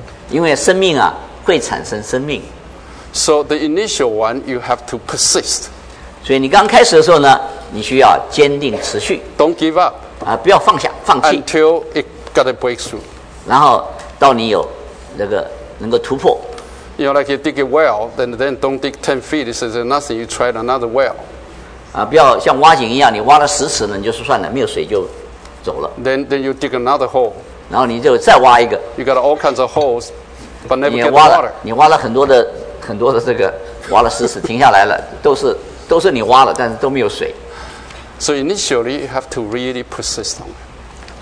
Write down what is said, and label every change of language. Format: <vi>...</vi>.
<zh>因为生命啊, 会产生生命。</zh> <en>So the initial one, you have to persist.</en> <zh>所以你刚开始的时候呢, 你需要坚定持续。</zh> <en>Don't give up.</en> <zh>不要放下, 放弃。</zh> <en>Until it got a breakthrough.</en> <zh>然后到你有那个, 能够突破。</zh> <en>You know, like you dig a well, then don't dig 10 feet, it says nothing, you try another well.</en> <zh>不要像挖井一样, 你挖了10尺呢, 你就算了, 没有水就走了。</zh> <en>Then you dig another hole.</en> <zh>然后你就再挖一个。</zh> <en>You got all kinds of holes, but never get water.</en> <zh>你挖了很多的, 很多的这个, 挖了10尺, 停下来了, 都是你挖了, 但是都没有水。</zh> <en>So initially, you have to really persist on it.</en>